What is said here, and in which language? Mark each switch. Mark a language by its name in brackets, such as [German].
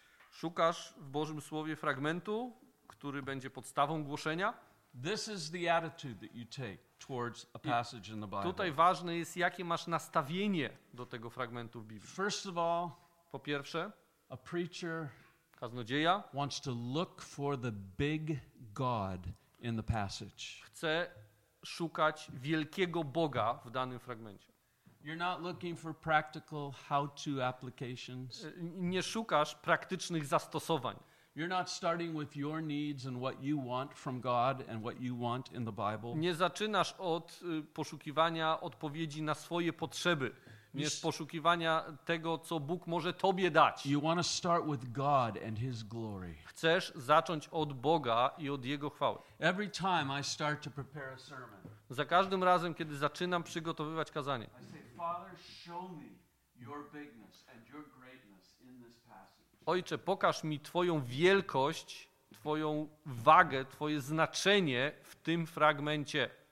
[Polish] szukasz w Bożym Słowie fragmentu, który będzie podstawą głoszenia. [English] This is the attitude that you take towards a passage in the Bible. [Polish] Tutaj ważne jest, jakie masz nastawienie do tego fragmentu w Biblii. [English] First of all, [Polish] po pierwsze, [English] a preacher, [Polish] kaznodzieja, [English] wants to look for the big God in the passage. [Polish] Chce szukać wielkiego Boga w danym fragmencie. [English] You're not looking for practical how-to applications. [Polish] Nie szukasz praktycznych zastosowań. [English] You're not starting with your needs and what you want from God and what you want in the Bible. [Polish] Nie zaczynasz od poszukiwania odpowiedzi na swoje potrzeby, nie z poszukiwania tego, co Bóg może tobie dać. [English] You want to start with God and his glory. [Polish] Chcesz zacząć od Boga i od jego chwały. [English] Every time I start to prepare a sermon. [Polish] Za każdym razem, kiedy zaczynam przygotowywać kazanie. [English] I say, Father, show me your bigness and your greatness in this passage. [Polish] Ojcze, pokaż mi Twoją wielkość, Twoją wagę, Twoje znaczenie w tym fragmencie.